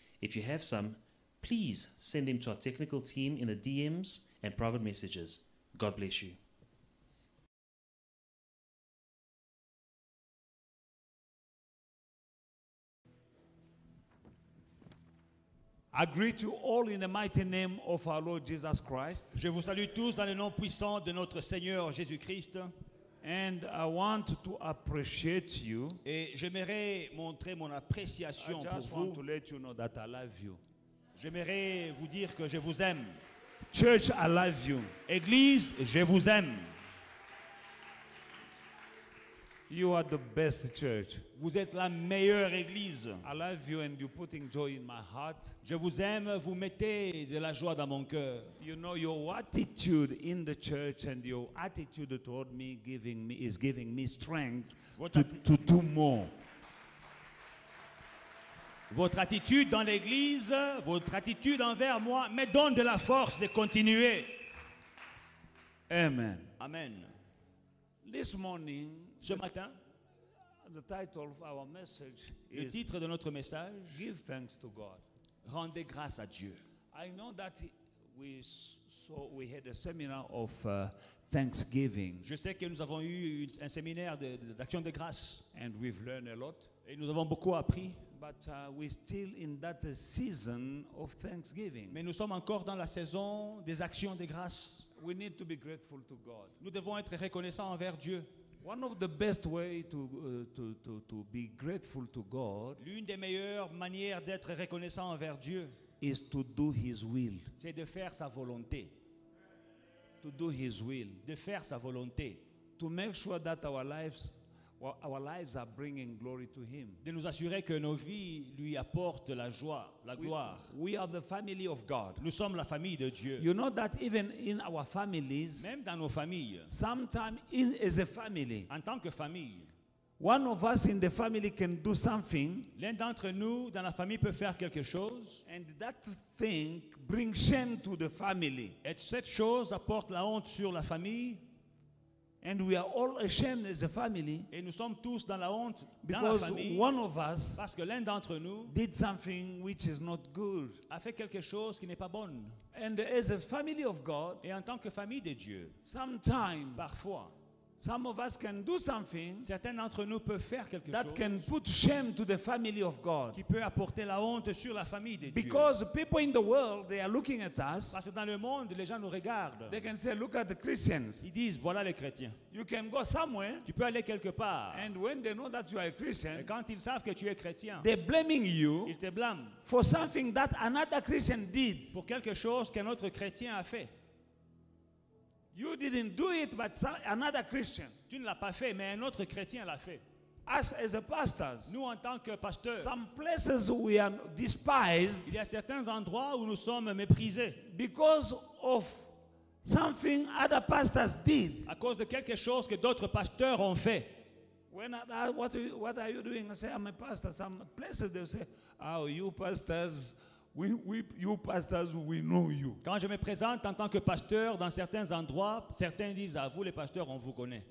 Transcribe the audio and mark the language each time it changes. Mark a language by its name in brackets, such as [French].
[English] If you have some, please send them to our technical team in the DMs and private messages. God bless you. I greet you all in the mighty name of our Lord Jesus Christ. [French] Je vous salue tous dans le nom puissant de notre Seigneur Jésus-Christ. [English] And I want to appreciate you. [French] Et j'aimerais montrer mon appréciation pour vous. [English] I just want to let you know that I love you. [French] J'aimerais vous dire que je vous aime. [English] Church, I love you. [French] Église, je vous aime. [English] You are the best church. [French] Vous êtes la meilleure église. [English] I love you and you're putting joy in my heart. [French] Je vous aime, vous mettez de la joie dans mon cœur. [English] You know your attitude in the church and your attitude toward me giving me is giving me strength to do more. [French] Votre attitude dans l'église, votre attitude envers moi me donne de la force de continuer. [English] Amen. [French] Amen. [English] This morning, [French] ce matin, [English] the title of our message [French] le titre de notre message, [English] Give thanks to God. [French] Rendez grâce à Dieu. [English] I know that we had a seminar of thanksgiving. [French] Je sais que nous avons eu un séminaire d'action de grâce. [English] And we've learned a lot. [French] Et nous avons beaucoup appris. [English] But we're still in that season of thanksgiving. [French] Mais nous sommes encore dans la saison des actions de grâce. [English] We need to be grateful to God. [French] Nous devons être reconnaissants envers Dieu. [English] One of the best ways to be grateful to God. [French] L'une des meilleures manières d'être reconnaissant envers Dieu. [English] Is to do His will. [French] C'est de faire sa volonté. [English] To do His will. [French] De faire sa volonté. [English] To make sure that our lives are bringing glory to Him. [French] De nous assurer que nos vies lui apportent la joie, la gloire. [English] We are the family of God. [French] Nous sommes la famille de Dieu. [English] You know that even in our families, [French] même dans nos familles, [English] sometimes in as a family, [French] en tant que famille, [English] one of us in the family can do something. [French] L'un d'entre nous dans la famille peut faire quelque chose. [English] And that thing brings shame to the family. [French] Et cette chose apporte la honte sur la famille. [English] And we are all ashamed as a family. [French] Et nous sommes tous dans la honte [English] because [French] dans la famille. [English] One of us, [French] parce que l'un d'entre nous, [English] did something which is not good. [French] A fait quelque chose qui n'est pas bonne. [English] And as a family of God, [French] et en tant que famille de Dieu, [English] sometimes, [French] parfois, [English] some of us can do something. [French] Certains d'entre nous peuvent faire quelque [English] that [French] chose. [English] That can put shame to the family of God. [French] Qui peut apporter la honte sur la famille de [English] because [French] Dieu. [English] Because people in the world they are looking at us. [French] Parce que dans le monde les gens nous regardent. [English] They can say, look at the Christians. [French] Ils disent voilà les chrétiens. [English] You can go somewhere. [French] Tu peux aller quelque part. [English] And when they know that you are a Christian. [French] Et quand ils savent que tu es chrétien. [English] They blaming you. [French] Ils te blâment. [English] For something that another Christian did. [French] Pour quelque chose qu'un autre chrétien a fait. [English] You didn't do it, but another Christian. [French] Tu ne l'as pas fait, mais un autre chrétien l'a fait. [English] Us as a pastors, [French] nous en tant que pasteurs, [English] some places we are despised. [French] Il y a certains endroits où nous sommes méprisés. [English] Because of something other pastors did. [French] À cause de quelque chose que d'autres pasteurs ont fait. [English] When what are you doing? I say I'm a pastor. Some places they say, oh, you pastors. We you pastors, we know you. [French] Quand je me présente en tant que pasteur dans certains endroits, certains disent à vous les pasteurs, on vous connaît.